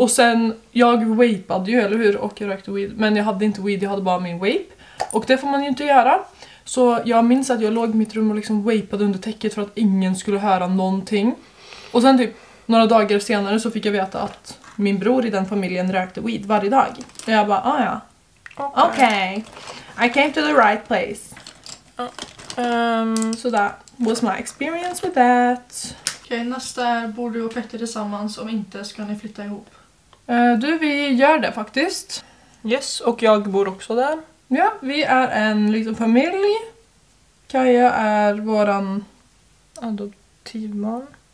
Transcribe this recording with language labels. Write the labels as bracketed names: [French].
[Swedish] Och sen jag vapade ju eller hur och jag rökte weed, men jag hade inte weed, jag hade bara min vape. Och det får man ju inte göra. Så jag minns att jag låg i mitt rum och liksom vapade under täcket för att ingen skulle höra någonting. Och sen typ några dagar senare så fick jag veta att min bror i den familjen rökte weed varje dag. Och jag bara, ah ja. Okej. Okay. [English] Okay. I came to the right place. So that was my experience with that. [Swedish] Okej, okay, nästa är, bor du och Petter tillsammans? Om inte, ska ni flytta ihop? Du, vi gör det faktiskt. Yes, och jag bor också där. Ja, vi är en liten familj. Kaja är våran adoptivbarn.